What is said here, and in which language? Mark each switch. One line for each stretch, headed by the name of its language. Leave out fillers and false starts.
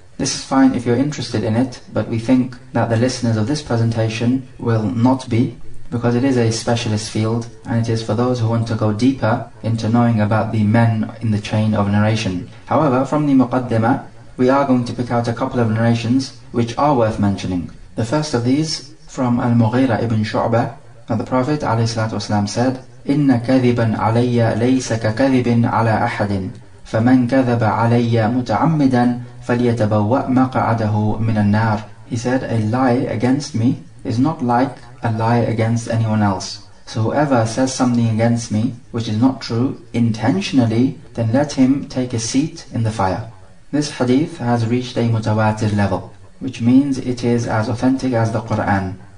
English: This is fine if you're interested in it, but we think that the listeners of this presentation will not be, because it is a specialist field, and it is for those who want to go deeper into knowing about the men in the chain of narration. However, from the Muqaddima, we are going to pick out a couple of narrations which are worth mentioning. The first of these, from Al-Mughira ibn Shu'bah, that the Prophet ﷺ said,
Arabic: إِنَّ كَذِبًا عَلَيَّ لَيْسَ كَكَذِبٍ عَلَىٰ أَحَدٍ فَمَنْ كَذَبَ عَلَيَّ مُتَعَمِّدًا فَلْيَتَبَوَّأْ مَقَعَدَهُ مِنَ النَّارِ.
English: He said, a lie against me is not like a lie against anyone else. So whoever says something against me which is not true intentionally, then let him take a seat in the fire. This hadith has reached a mutawatir level, which means it is as authentic as the Qur'an.